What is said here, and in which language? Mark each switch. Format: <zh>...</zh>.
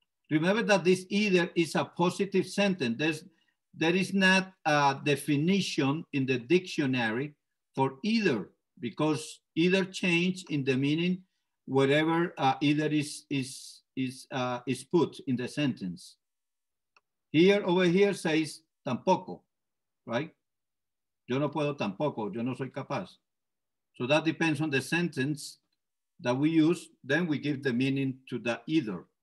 <en>Remember that this either is a positive sentence. There is not a definition in the dictionary for either, because either change in the meaning wherever either is put in the sentence. Here, over here says tampoco, right?</en> <es>Yo no puedo tampoco, yo no soy capaz.</es> <en>So that depends on the sentence that we use, then we give the meaning to the either.</en>